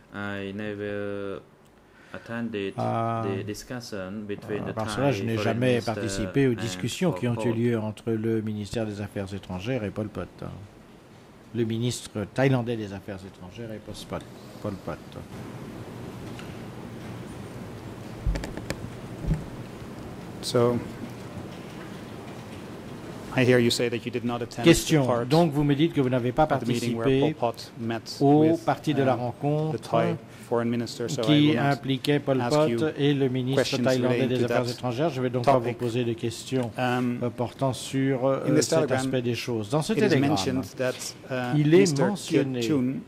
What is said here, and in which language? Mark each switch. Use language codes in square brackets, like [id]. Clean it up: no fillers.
[fr] Barcelone, je n'ai jamais participé aux discussions qui ont eu lieu entre le ministère des Affaires étrangères et Pol Pot. Le ministre thaïlandais des Affaires étrangères et Pol Pot. [en] So, I hear you say that you did not attend. [fr] Question. Donc, vous me dites que vous n'avez pas participé aux parties de la rencontre qui impliquait Pol Pot et le ministre thaïlandais des Affaires étrangères. Je ne vais donc pas vous poser de questions portant sur cet aspect des choses. Dans ce télégramme, il est mentionné que M.